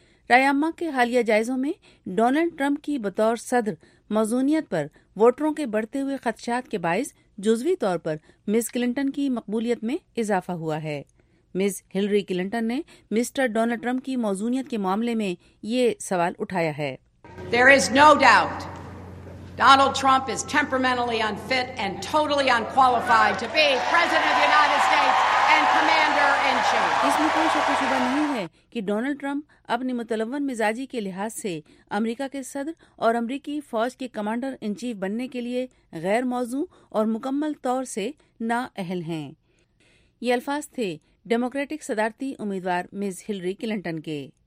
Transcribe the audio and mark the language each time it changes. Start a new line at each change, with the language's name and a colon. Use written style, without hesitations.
Urdu: رائیاما کے حالیہ جائزوں میں ڈونلڈ ٹرمپ کی بطور صدر موزونیت پر ووٹروں کے بڑھتے ہوئے خدشات کے باعث جزوی طور پر مس کلنٹن کی مقبولیت میں اضافہ ہوا ہے. مس ہلری کلنٹن نے مسٹر ڈونلڈ ٹرمپ کی موزونیت کے معاملے میں یہ سوال اٹھایا ہے.
English: Donald Trump is temperamentally unfit and totally unqualified to be President of the United States and Commander in Chief.
Urdu: اس میں کوئی شک و شبہ نہیں ہے کہ ڈونلڈ ٹرمپ اپنی متلون مزاجی کے لحاظ سے امریکہ کے صدر اور امریکی فوج کے کمانڈر ان چیف بننے کے لیے غیر موزوں اور مکمل طور سے نااہل ہیں. یہ الفاظ تھے ڈیموکریٹک صدارتی امیدوار مز ہلری کلنٹن کے.